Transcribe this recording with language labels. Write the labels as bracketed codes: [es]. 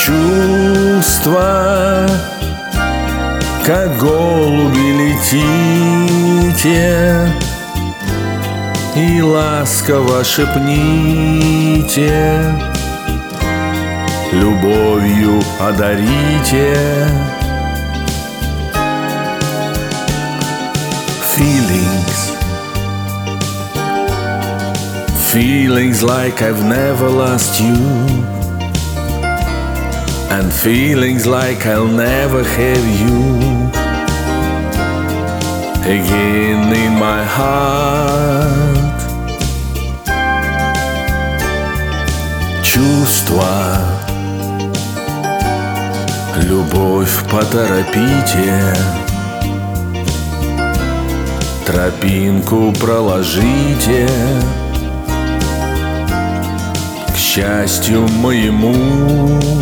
[ru] Чувства, как голуби, летите и ласково шепните, любовью одарите. [en] Feelings, feelings like I've never lost you, and feelings like I'll never have you again in my heart. [ru] Чувства, любовь, поторопите, тропинку проложите к счастью моему.